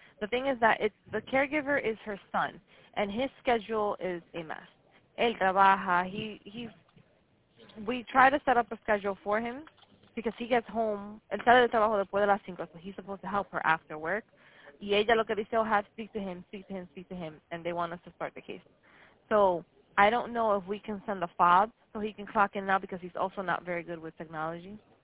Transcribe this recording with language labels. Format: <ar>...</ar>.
<en>The thing is that it's, the caregiver is her son, and his schedule is a mess.</en> <es>Él trabaja.</es> <en>We try to set up a schedule for him because he gets home.</en> <es>Él sale de trabajo después de las cinco,</es> <en>so he's supposed to help her after work.</en> <es>Y ella lo que dice,</es> <en>oh, have, speak to him, and they want us to start the case. So I don't know if we can send a fob so he can clock in now because he's also not very good with technology.</en>